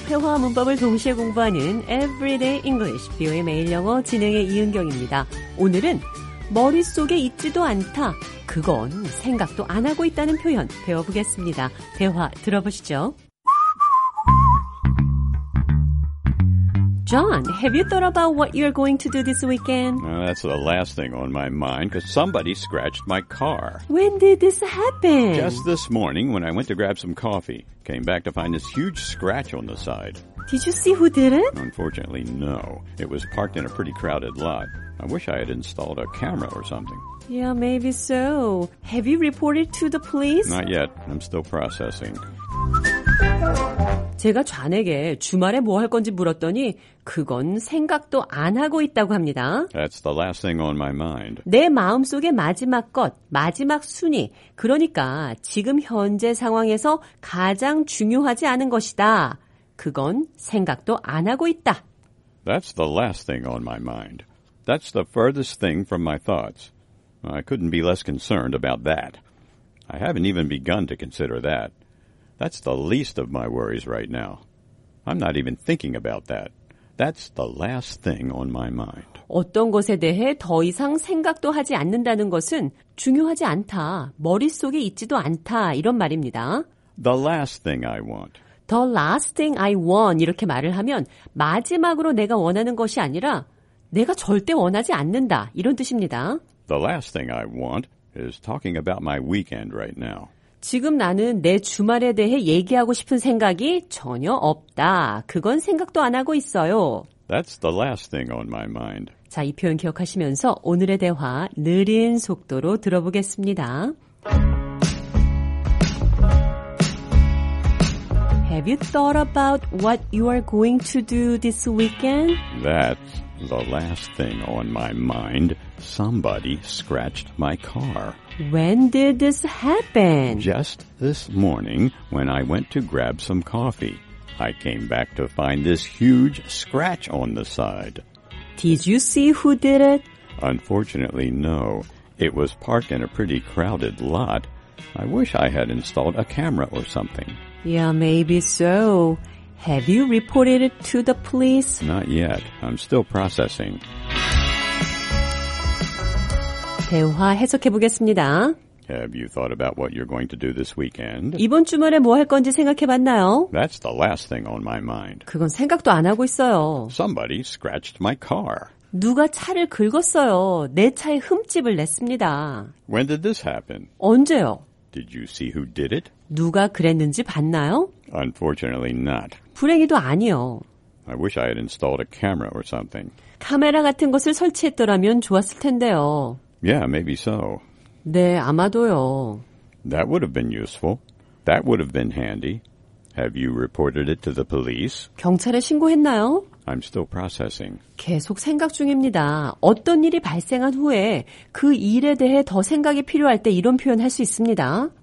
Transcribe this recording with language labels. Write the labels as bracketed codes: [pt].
[ko] 회화 문법을 동시에 공부하는 Everyday English, 비오의 매일 영어 진행의 이은경입니다. 오늘은 머릿속에 있지도 않다, 그건 생각도 안 하고 있다는 표현 배워보겠습니다. 대화 들어보시죠. [en] John, have you thought about what you're going to do this weekend? That's the last thing on my mind because somebody scratched my car. When did this happen? Just this morning when I went to grab some coffee. Came back to find this huge scratch on the side. Did you see who did it? Unfortunately, no. It was parked in a pretty crowded lot. I wish I had installed a camera or something. Yeah, maybe so. Have you reported to the police? Not yet. I'm still processing. [ko] 제가 존에게 주말에 뭐 할 건지 물었더니 그건 생각도 안 하고 있다고 합니다. [en] That's the last thing on my mind. [ko] 내 마음속의 마지막 것, 마지막 순위. 그러니까 지금 현재 상황에서 가장 중요하지 않은 것이다. 그건 생각도 안 하고 있다. [en] That's the last thing on my mind. That's the furthest thing from my thoughts. I couldn't be less concerned about that. I haven't even begun to consider that. That's the least of my worries right now. I'm not even thinking about that. That's the last thing on my mind. [ko] 어떤 것에 대해 더 이상 생각도 하지 않는다는 것은 중요하지 않다, 머릿속에 있지도 않다, 이런 말입니다. [en] The last thing I want. The last thing I want. [ko] 이렇게 말을 하면 마지막으로 내가 원하는 것이 아니라 내가 절대 원하지 않는다, 이런 뜻입니다. [en] The last thing I want is talking about my weekend right now. [ko] 지금 나는 내 주말에 대해 얘기하고 싶은 생각이 전혀 없다. 그건 생각도 안 하고 있어요. [en] That's the last thing on my mind. [ko] 자, 이 표현 기억하시면서 오늘의 대화 느린 속도로 들어보겠습니다. [en] Have you thought about what you are going to do this weekend? That's the last thing on my mind. Somebody scratched my car. When did this happen? Just this morning when I went to grab some coffee. I came back to find this huge scratch on the side. Did you see who did it? Unfortunately, no. It was parked in a pretty crowded lot. I wish I had installed a camera or something. Yeah, maybe so. Have you reported it to the police? Not yet. I'm still processing. [ko] 대화 해석해 보겠습니다. [en] Have you thought about what you're going to do this weekend? [ko] 이번 주말에 뭐 할 건지 생각해 봤나요? [en] That's the last thing on my mind. [ko] 그건 생각도 안 하고 있어요. [en] Somebody scratched my car. [ko] 누가 차를 긁었어요. 내 차에 흠집을 냈습니다. [en] When did this happen? [ko] 언제요? [en] Did you see who did it? [ko] 누가 그랬는지 봤나요? [en] Unfortunately not. [ko] 불행히도 아니요. [en] I wish I had installed a camera or something. [ko] 카메라 같은 것을 설치했더라면 좋았을 텐데요. [en] Yeah, maybe so. [ko] 네, 아마도요. [en] That would have been useful. That would have been handy. Have you reported it to the police? [ko] 경찰에 신고했나요? [en] I'm still processing. [ko] 계속 생각 중입니다. 어떤 일이 발생한 후에 그 일에 대해 더 생각이 필요할 때 이런 표현 할 수 있습니다.